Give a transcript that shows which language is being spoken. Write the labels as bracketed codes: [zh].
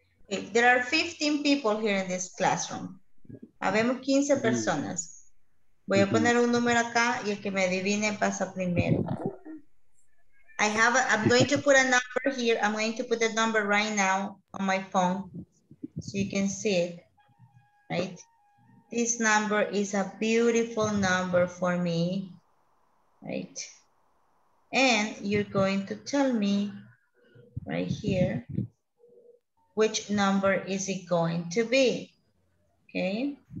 [en] Okay, there are 15 people here in this classroom. [es] Habemos 15 personas. Mm-hmm. Voy a poner un número acá y el que me adivine pasa primero. [en] I'm going to put a number here. I'm going to put the number right now on my phone so you can see it, right? This number is a beautiful number for me, right? And you're going to tell me right here which number is it going to be, okay?